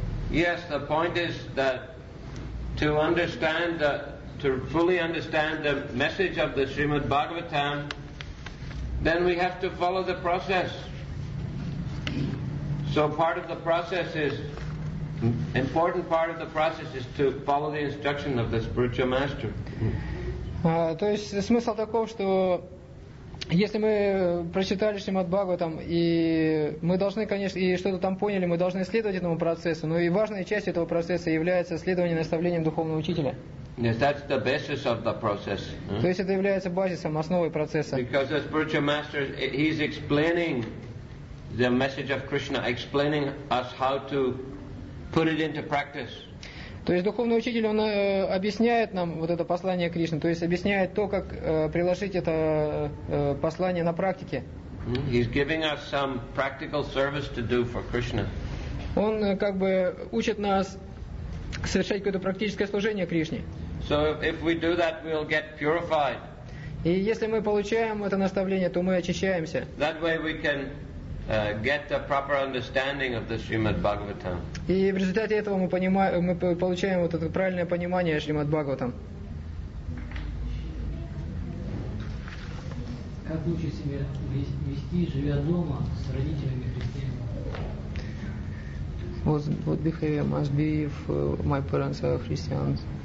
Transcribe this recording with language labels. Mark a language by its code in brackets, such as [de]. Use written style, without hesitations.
[en] Yes, the point is that to understand, to fully understand the message of the Srimad Bhagavatam, then we have to follow the process. So part of the process is, important part of the process is to follow the instruction of the spiritual master. [ru] То есть смысл таков, что если мы прочитали Шримад Бхагаватам, и мы должны, конечно, и что-то там поняли, мы должны следовать этому процессу, но и важной частью этого процесса является следование наставлениям духовного учителя. [en] Yes, that's the basis of the process. [ru] То есть это является базисом, основой процесса. [en] Because the spiritual master, he's explaining the message of Krishna, explaining us how to put it into practice. [ru] То есть духовный учитель, он объясняет нам вот это послание Кришны, то есть объясняет то, как приложить это послание на практике. [en] He's giving us some practical service to do for Krishna. [ru] Он как бы учит нас совершать какое-то практическое служение Кришне. [en] So if we do that, we'll get purified. [ru] И если мы получаем это наставление, то мы очищаемся. [en] That way we can get the proper understanding of the Srimad Bhagavatam. [ru] И в результате этого мы получаем вот это правильное понимание Шримад Бхагаватам. Как лучше себя вести, живя дома с родителями христианами? [en] What behavior must be if my parents are Christians?